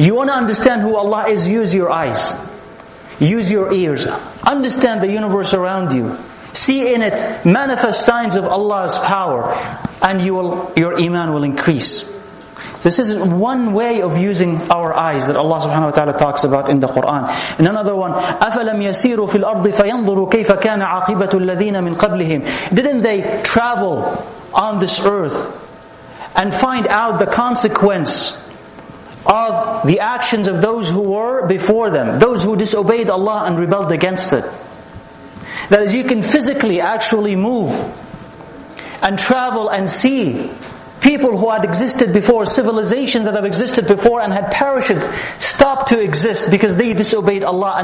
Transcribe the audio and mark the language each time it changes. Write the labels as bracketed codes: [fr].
[en] You want to understand who Allah is, use your eyes. Use your ears. Understand the universe around you. See in it manifest signs of Allah's power. And you will, your iman will increase. This is one way of using our eyes that Allah subhanahu wa ta'ala talks about in the Quran. And another one, [ar] أَفَلَمْ يَسِيرُوا فِي الْأَرْضِ فَيَنْظُرُوا كَيْفَ كَانَ عَقِبَةُ الَّذِينَ مِنْ قَبْلِهِمْ. [en] Didn't they travel on this earth and find out the consequence of the actions of those who were before them, those who disobeyed Allah and rebelled against it? That is, you can physically actually move and travel and see people who had existed before, civilizations that have existed before and had perished, stopped to exist because they disobeyed Allah.